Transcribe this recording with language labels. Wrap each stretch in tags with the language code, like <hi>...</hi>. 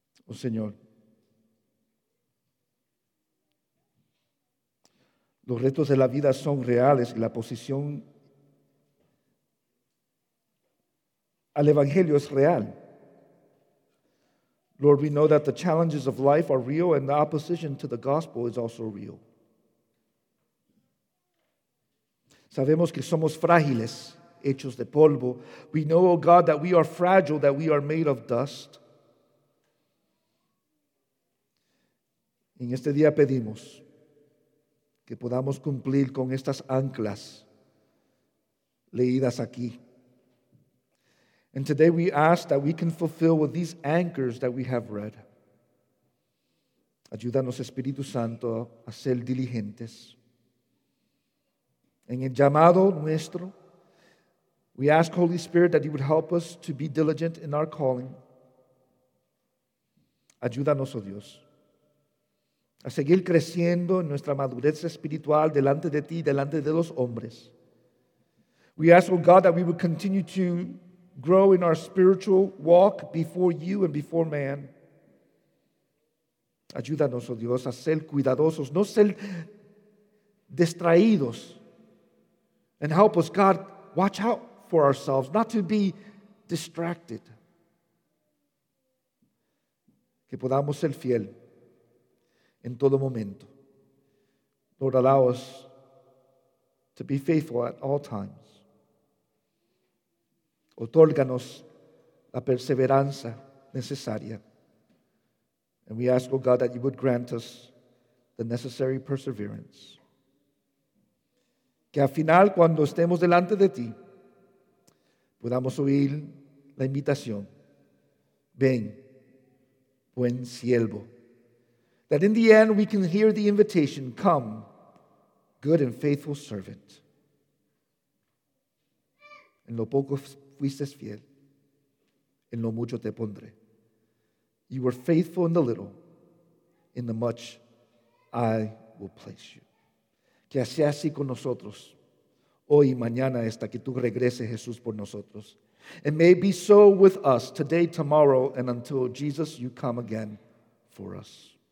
<es>Oh, Señor, los retos de la vida son reales y la posición al Evangelio es real.</es> <en>Lord, we know that the challenges of life are real and the opposition to the gospel is also real.</en> <es>Sabemos que somos frágiles, hechos de polvo.</es> <en>We know, O God, that we are fragile, that we are made of dust.</en> <es>En este día pedimos que podamos cumplir con estas anclas leídas aquí.</es> <en>And today we ask that we can fulfill with these anchors that we have read.</en> <es>Ayúdanos, Espíritu Santo, a ser diligentes. En el llamado nuestro,</es> <en>we ask, Holy Spirit, that you would help us to be diligent in our calling.</en> <es>Ayúdanos, oh Dios, a seguir creciendo en nuestra madurez espiritual delante de ti, delante de los hombres.</es> <en>We ask, oh God, that we would continue to grow in our spiritual walk before you and before man.</en> <es>Ayúdanos, oh Dios, a ser cuidadosos, no ser distraídos.</es> <en>And help us, God, watch out for ourselves, not to be distracted.</en> <es>Que podamos ser fiel en todo momento.</es> <en>Lord, allow us to be faithful at all times.</en> <es>Otórganos la perseverancia necesaria.</es> <en>And we ask, oh God, that you would grant us the necessary perseverance.</en> <es>Que al final, cuando estemos delante de ti, podamos oír la invitación. Ven, buen siervo.</es> <en>That in the end we can hear the invitation. Come, good and faithful servant.</en> <es>En lo poco fuiste fiel, en lo mucho te pondré.</es> <en>You were faithful in the little, in the much I will place you.</en> <es>Que sea así con nosotros. Hoy, mañana, hasta que tú regreses, Jesús, por nosotros.</es> <en>And may be so with us, today, tomorrow, and until Jesus, you come again for us.</en>